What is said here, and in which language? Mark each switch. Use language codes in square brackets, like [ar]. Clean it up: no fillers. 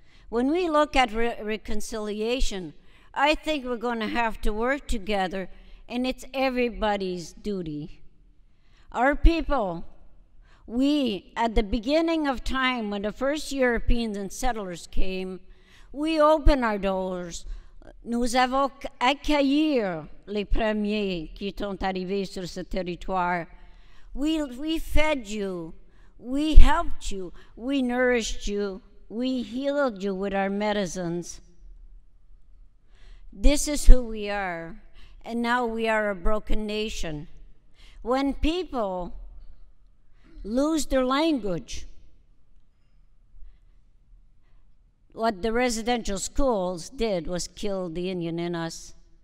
[en] When we look at reconciliation, I think we're gonna have to work together, and it's everybody's duty. Our people, we, at the beginning of time, when the first Europeans and settlers came, we opened our doors. [fr] Nous avons accueilli les premiers qui sont arrivés sur ce territoire. [en] We fed you, we helped you, we nourished you, we healed you with our medicines. This is who we are, and now we are a broken nation. When people lose their language, what the residential schools did was kill the Indian in us.